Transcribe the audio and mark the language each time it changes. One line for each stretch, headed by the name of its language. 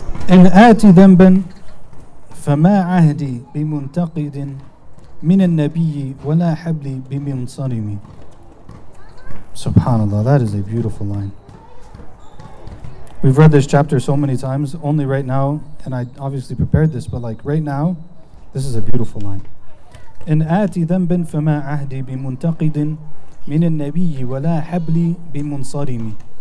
Arabic: إن آتي ذنبا فما عهدي بمنتقد من النبي ولا حبلي بمنصرم.
English: SubhanAllah, that is a beautiful line. We've read this chapter so many times, only right now, and I obviously prepared this, but like right now, this is a beautiful line.
Arabic: إن آتي ذنبا فما عهدي بمنتقد من النبي ولا حبلي بمنصرم.